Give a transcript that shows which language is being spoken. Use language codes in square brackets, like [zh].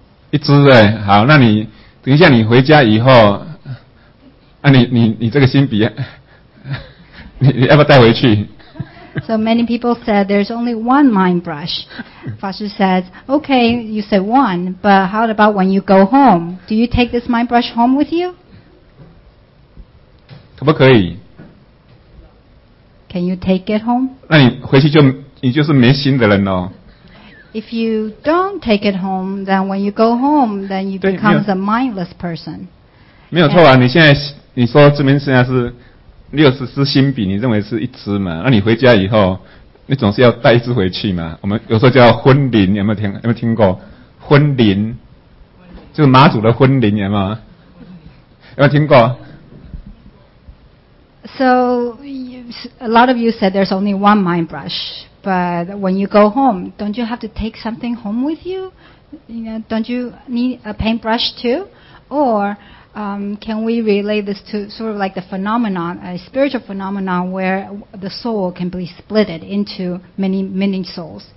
[zh] 一支欸，好，那你等一下你回家以后啊，你这个心笔你要不要带回去？ [en] So many people said there's only one mind brush. 法师 said, okay, you said one, but how about when you go home? Do you take this mind brush home with you? [zh] 可不可以？ [en] Can you take it home? [zh] 那你回去你就是没心的人哦。 [en] If you don't take it home, then when you go home, then you become a mindless person. [zh] 没有错啊，你现在你说这边剩下是六十支心笔，你认为是一支嘛？那你回家以后，你总是要带一支回去嘛？我们有时候叫婚灵，有没有听？有没有听过婚灵？就是妈祖的婚灵，有没有？有没有听过？ [en] So a lot of you said there's only one mind brush, but when you go home, don't you have to take something home with you? You know, don't you need a paintbrush too? Or can we relate this to sort of like the phenomenon, a spiritual phenomenon where the soul can be split into many, many souls?